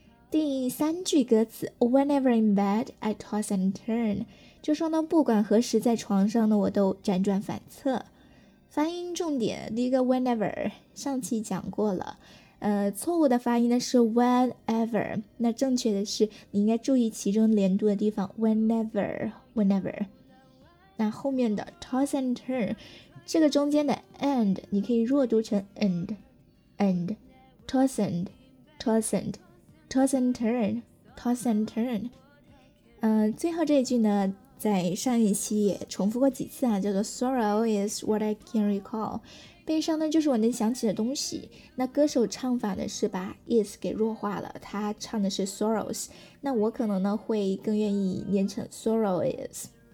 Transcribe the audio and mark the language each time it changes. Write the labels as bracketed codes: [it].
[zh] 第三句歌词， [en] Whenever in bed I toss and turn， [zh] 就说呢不管何时在床上呢我都辗转反侧。发音重点第一个 whenever， 上期讲过了，错误的发音呢是 whenever， 那正确的是你应该注意其中连读的地方 whenever whenever。那后面的 toss and turn， 这个中间的 and 你可以弱读成 and and toss and toss and toss and turn toss and turn。最后这一句呢在上一期也重复过几次啊，叫做 [en] Sorrow is what I can recall， [zh] 悲伤呢就是我能想起的东西。那歌手唱法呢是把 is 给弱化了，他唱的是 sorrows， 那我可能呢会更愿意念成 Sorrow is。